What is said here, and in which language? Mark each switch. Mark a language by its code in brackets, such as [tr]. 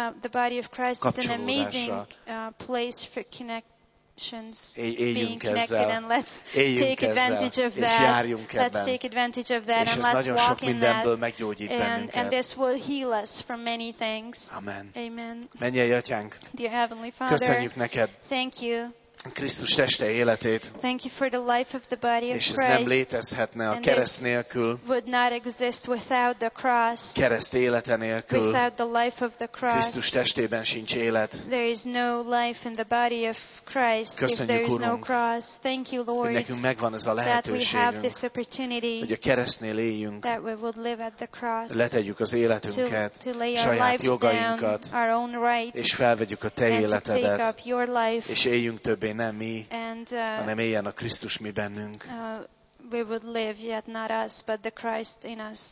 [en] the body of Christ is an amazing place for connections, being connected, and let's take advantage of that, let's take advantage of that, and let's walk in that, and this will heal us from many things. Amen. [hu] Menj el, Atyánk. [en] Dear Heavenly Father, [hu] köszönjük neked. [en] Thank you. [hu] Krisztus teste életét. [en] Thank you for the life of the body of Christ. [hu] És ez nem létezhetne a kereszt nélkül. [en] Would not exist without the cross. [hu] Kereszt élete nélkül. [en] Without the life of the cross. [hu] Krisztus testében sincs élet. [en] There is no life in the body of Christ. [hu] Köszönjük, [en] if there is [hu] Urunk, [en] no cross. Thank you, Lord. [hu] Nekünk megvan ez a lehetőségünk. [en] That we have this opportunity. [hu] Hogy a keresztnél éljünk. [en] That we would live at the cross. [hu] Letegyük az életünket. [en] To lay [hu] saját [en] our [hu] jogainkat. [en] Down, our own rights, [hu] és felvegyük a te életedet. [en] To take up your life. [hu] És éljünk több nem mi, [en] and, [hu] hanem éljen a Krisztus mi bennünk. [en] We would live, yet not us, but the Christ in us.